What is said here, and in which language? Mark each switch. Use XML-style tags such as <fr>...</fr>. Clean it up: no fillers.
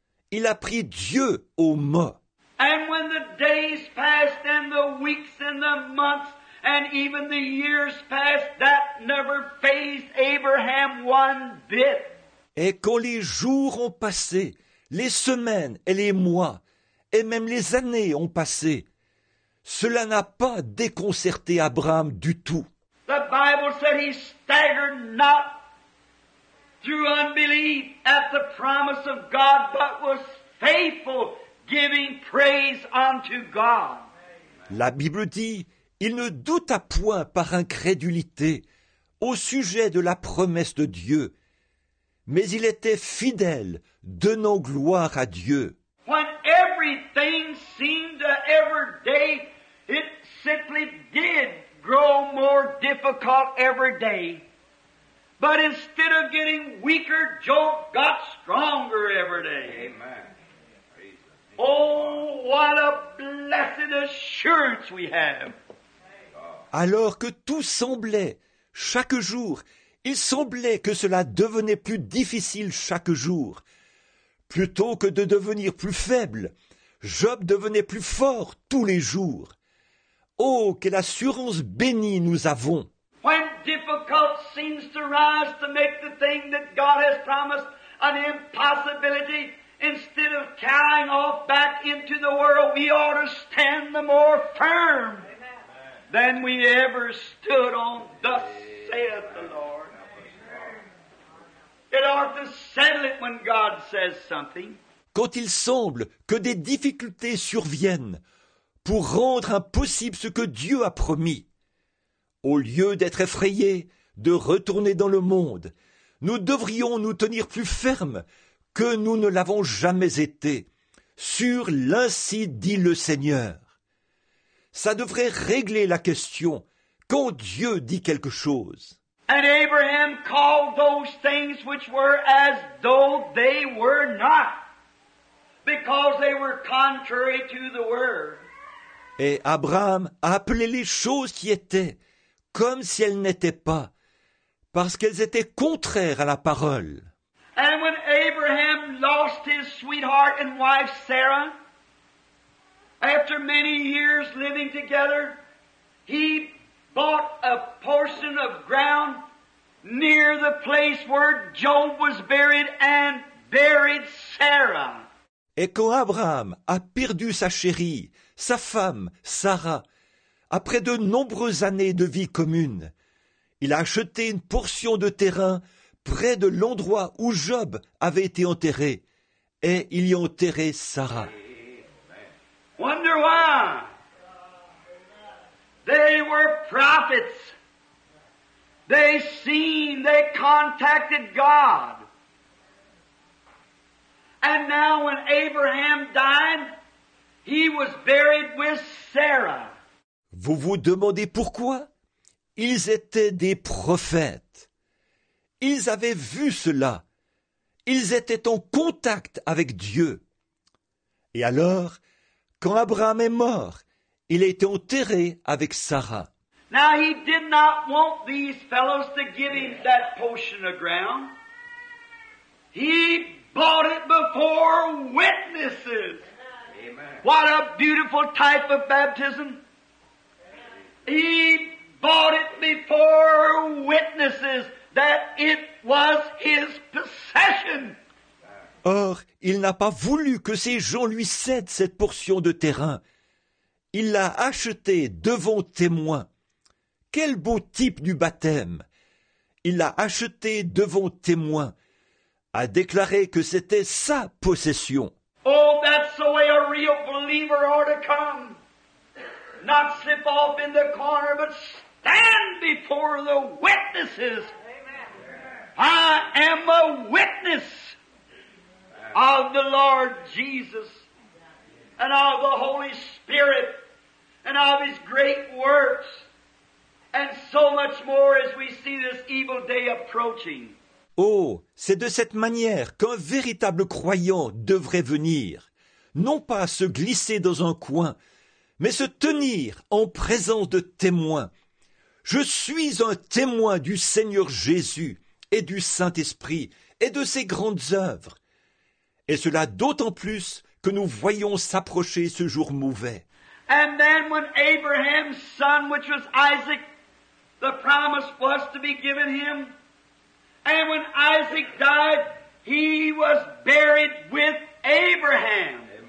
<fr>Il a pris Dieu au mot.</fr> <en>And when the days passed and the weeks and the months and even the years passed, that never fazed Abraham one bit.</en> <fr>Et quand les jours ont passé, les semaines et les mois, et même les années ont passé, cela n'a pas déconcerté Abraham du tout.</fr> <en>The Bible said he staggered not through unbelief at the promise of God, but was faithful, giving praise unto God.</en> <fr>La Bible dit, il ne douta point par incrédulité au sujet de la promesse de Dieu, mais il était fidèle, donnant gloire à Dieu.</fr> <en>When everything seemed to every day, it simply did grow more difficult every day. But instead of getting weaker, Job got stronger every day. Amen. Oh, what a blessed assurance we have.</en> <fr>Alors que tout semblait, chaque jour, il semblait que cela devenait plus difficile chaque jour. Plutôt que de devenir plus faible, Job devenait plus fort tous les jours. Oh, quelle assurance bénie nous avons!</fr> <en>When difficulty seems to rise to make the thing that God has promised an impossibility, instead of carrying off back into the world, we ought to stand the more firm. Than we ever stood on, thus saith the Lord. It ought to settle it when God says something.</en> <fr>Quand il semble que des difficultés surviennent pour rendre impossible ce que Dieu a promis, au lieu d'être effrayés, de retourner dans le monde, nous devrions nous tenir plus fermes que nous ne l'avons jamais été, sur l'ainsi dit le Seigneur. Ça devrait régler la question quand Dieu dit quelque chose.</fr> <en>And Abraham called those things which were as though they were not, because they were contrary to the word.</en> <fr>Et Abraham a appelé les choses qui étaient comme si elles n'étaient pas, parce qu'elles étaient contraires à la parole.</fr> <en>And when Abraham lost his sweetheart and wife Sarah, after many years living together, he bought a portion of ground near the place where Job was buried and buried Sarah.</en> <fr>Et quand Abraham a perdu sa chérie, sa femme, Sarah, après de nombreuses années de vie commune, il a acheté une portion de terrain près de l'endroit où Job avait été enterré, et il y a enterré Sarah.</fr> <en>Wonder why? They were prophets. They seen, they contacted God. And now when Abraham died, he was buried with Sarah.</en> <fr>Vous vous demandez pourquoi? Ils étaient des prophètes. Ils avaient vu cela. Ils étaient en contact avec Dieu. Et alors, quand Abraham est mort, il a été enterré avec Sarah.</fr> <en>Now he did not want these fellows to give him that portion of ground. He bought it before witnesses. Amen. What a beautiful type of baptism. He bought it before witnesses that it was his possession.</en> <fr>Or, il n'a pas voulu que ces gens lui cèdent cette portion de terrain. Il l'a achetée devant témoins. Quel beau type du baptême! il l'a acheté devant témoins, a déclaré que c'était sa possession.</fr> <en>Oh, that's the way a real believer ought to come. Not slip off in the corner, but stand before the witnesses. Amen. I am a witness of the Lord Jesus and of the Holy Spirit and of His great works and so much more as we see this evil day approaching.</en> <fr>Oh, c'est de cette manière qu'un véritable croyant devrait venir, non pas se glisser dans un coin, mais se tenir en présence de témoins. Je suis un témoin du Seigneur Jésus et du Saint-Esprit et de ses grandes œuvres. Et cela d'autant plus que nous voyons s'approcher ce jour mauvais.</fr> <en>And then when Abraham's son, which was Isaac, the promise was to be given him. And when Isaac died, he was buried with Abraham.</en>